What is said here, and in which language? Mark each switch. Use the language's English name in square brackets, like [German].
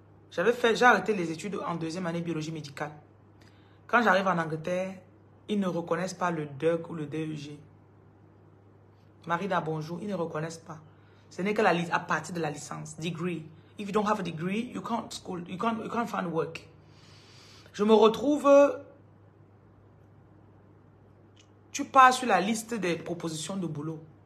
[French] J'ai arrêté les études en deuxième année biologie médicale. Quand j'arrive en Angleterre, ils ne reconnaissent pas le DEUG ou le DEUG. Marina, bonjour. Ils ne reconnaissent pas. Ce n'est que à partir de la licence, degree. [English] If you don't have a degree, you can't school, you can't find work. [French] Je me retrouve. Tu pars sur la liste des propositions de boulot.